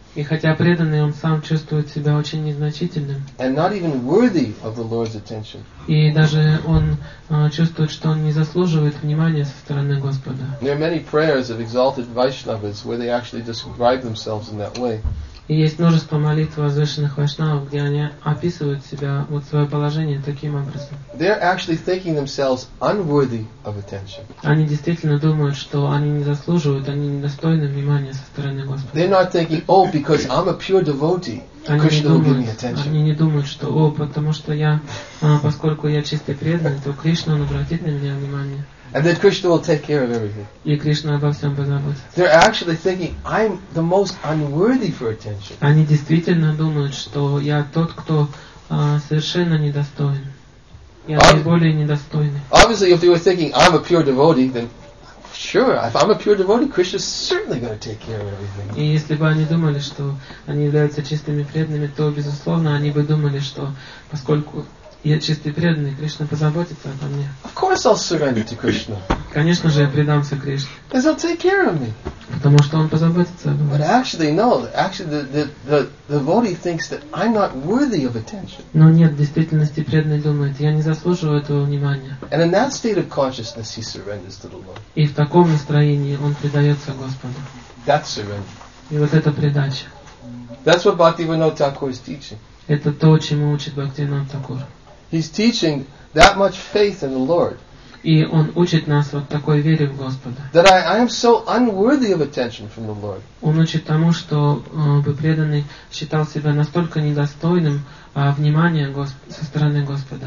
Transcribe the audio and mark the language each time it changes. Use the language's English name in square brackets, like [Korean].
[Russian] И хотя преданный, он сам чувствует себя очень незначительным. [English] And not even worthy of the Lord's attention. [Russian] И даже он чувствует, что он не заслуживает внимания со стороны Господа. [English] There are many prayers of exalted Vaishnavas where they actually describe themselves in that way. [Russian] И есть множество молитв возвышенных вайшнавов, где они описывают себя, вот свое положение таким образом. [English] They're actually thinking themselves unworthy of attention. [Russian] Они действительно думают, что они не заслуживают, они недостойны внимания со стороны Господа. [English] They're not thinking, oh, because I'm a pure devotee, Krishna will give me attention. [Russian] Они не думают, что, о, потому что я, поскольку я чистый преданный, то Кришна, он обратит на меня внимание. [English] And then Krishna will take care of everything. [Russian] И Кришна обо всем позаботится. [English] They're actually thinking, I'm the most unworthy for attention. [Russian] Они действительно думают, что я тот, кто совершенно недостоин. Я наиболее недостойный. [English] Obviously, if they were thinking, I'm a pure devotee, then sure, if I'm a pure devotee, Krishna's certainly going to take care of everything. [Russian] И если бы они думали, что они являются чистыми преданными, то, безусловно, они бы думали, что поскольку я чистый преданный, Кришна позаботится обо мне. [English] Of course I'll surrender to Krishna. [Russian] Конечно же, я предамся Кришне. [English] Because he'll take care of me. [Russian] Потому что он позаботится обо мне. [English] But actually, no. Actually, the devotee thinks that I'm not worthy of attention. [Russian] Но нет, в действительности преданный думает, я не заслуживаю этого внимания. [English] And in that state of consciousness, he surrenders to the Lord. [Russian] И в таком настроении он предается Господу. [English] That's surrender. [Russian] И вот это предача. [English] That's what Bhakti Vinod Thakur is teaching. [Russian] Это то, чему учит Бхактивинода Тхакур. [English] He's teaching that much faith in the Lord. [Russian] И он учит нас вот такой вере в Господа. [English] That I am so unworthy of attention from the Lord. [Russian] Он учит тому, что бы преданный считал себя настолько недостойным внимания со стороны Господа.